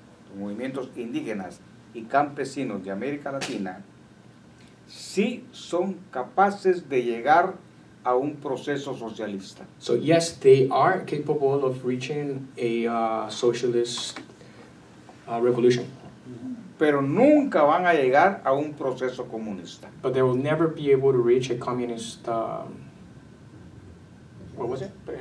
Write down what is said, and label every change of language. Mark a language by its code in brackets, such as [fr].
[es] los movimientos indígenas y campesinos de América Latina, sí son capaces de llegar a un proceso socialista. [en] So yes, they are capable of reaching a socialist revolution. [es] Pero nunca van a llegar a un proceso comunista. [en] But they will never be able to reach a communist, what was it?